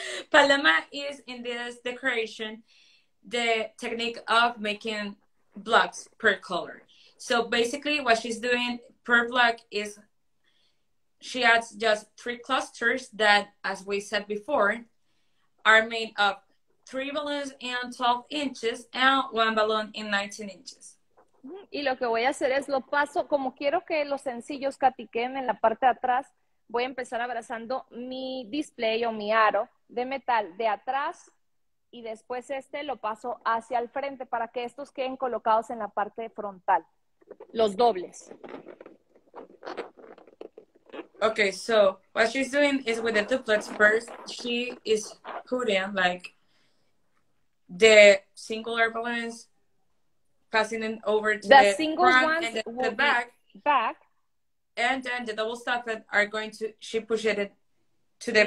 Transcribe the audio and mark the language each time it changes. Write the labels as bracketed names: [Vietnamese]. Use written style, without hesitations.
[English] Paloma is in this decoration, the technique of making blocks per color. So basically what she's doing per block is she adds just 3 clusters that, as we said before, are made of 3 balloons in 12 inches and 1 balloon in 19 inches. [Spanish] Y lo que voy a hacer es lo paso, como quiero que los sencillos catiquen en la parte de atrás, voy a empezar abrazando mi display o mi aro de metal de atrás y después este lo paso hacia el frente para que estos queden colocados en la parte frontal, los dobles. [English] Okay, so what she's doing is with the duplets first, she is putting like the singular balloons, passing them over to the single front ones and then the back. Back. And then the double stuffed are going to, she pushes it to the